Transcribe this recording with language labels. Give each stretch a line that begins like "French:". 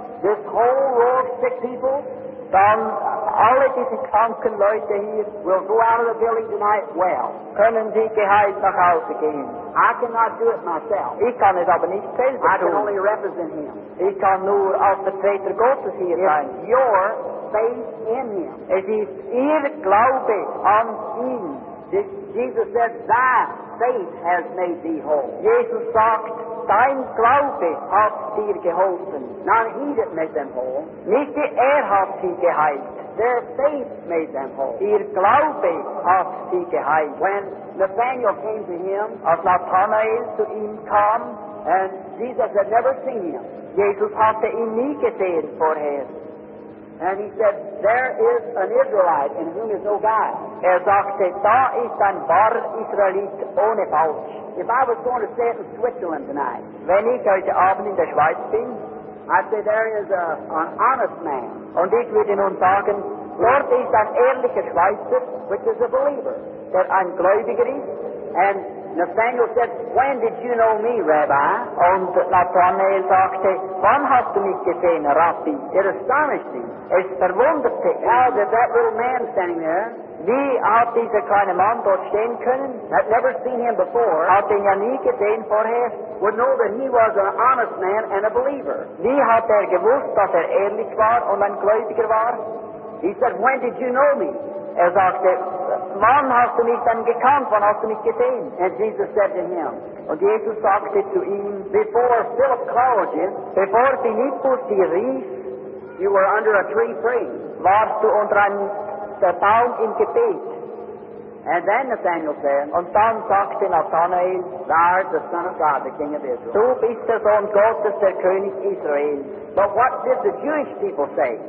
English: this whole row of sick people, some
German: alle diese kranken Leute hier,
English: will go out of the building tonight well.
German: Können Sie geheilt nach Hause gehen?
English: I cannot do it myself.
German: Ich kann es aber nicht selber tun.
English: I can only represent him.
German: Ich kann nur auf der Vertreter Gottes hier sein.
English: Your faith in him.
German: Es ist Ihr Glaube an ihn.
English: Jesus said, thy faith has made thee whole.
German: Jesus sagt, dein Glaube hat dir geholfen.
English: Not he that made them whole.
German: Nicht hat sie geheilt.
English: Their faith made them whole.
German: Ihr Glaube hat sie geheilt.
English: When Nathanael came to him,
German: als Nathanael zu ihm kam,
English: and Jesus had never seen him.
German: Jesus hatte ihn nie gesehen vorher.
English: And he said, there is an Israelite in whom is no God.
German: Sagte, da ist ein wahrer Israelit ohne Falsch.
English: If I was going to stay in Switzerland tonight,
German: wenn ich heute Abend in der Schweiz bin,
English: I'd say there is an honest man.
German: Und ich würde nun sagen, dort ist ein ehrlicher Schweizer,
English: which is a believer,
German: der ein Gläubiger ist.
English: And Nathanael said, when did you know me, Rabbi?
German: Und Nathanael sagte, wann hast du mich gesehen, Rabbi?
English: It astonished him.
German: Es verwunderte ihn.
English: How did that little man standing there,
German: wie hat dieser kleine Mann dort stehen können?
English: Had never seen him before.
German: Hat ihn ja nie gesehen vorher.
English: Would know that he was an honest man and a believer.
German: Wie hat gewusst, dass ehrlich war und ein Gläubiger war?
English: He said, when did you know me?
German: Sagte, wann hast du mich denn gekannt? Wann hast du mich gesehen?
English: And Jesus said to him,
German: und Jesus sagte zu ihm,
English: before Philip called you,
German: bevor Philippus dich rief,
English: you were under a tree praying.
German: Warst du unter einem Baum im Gebet.
English: And then Nathanael said,
German: und dann sagte Nathanael,
English: thou art the Son of God, the King of Israel.
German: Du bist der Sohn Gottes, der König Israel.
English: But what did the Jewish people say?